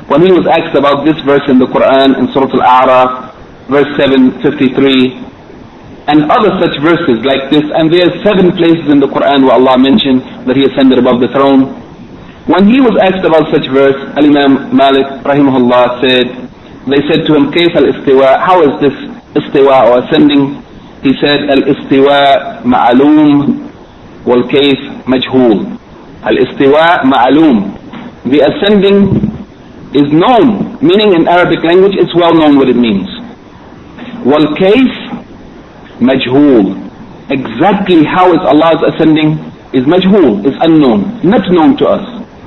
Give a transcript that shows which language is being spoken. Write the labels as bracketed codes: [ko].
[en] When he was asked about this verse in the Quran in Surah Al-A'raf, verse 753, and other such verses like this, and there are seven places in the Quran where Allah mentioned that He ascended above the throne. When he was asked about such verse, Al-Imam Malik rahimahullah said, they said to him, [ar] كيف الاستواء, [en] how is this استواء or ascending? [ar] He said, الاستواء معلوم والكيف مجهول. الاستواء معلوم. [en] The ascending is known, meaning in Arabic language it's well known what it means. [ar] والكيف مجهول. [en] Exactly how is Allah's ascending is مجهول, is unknown, not known to us.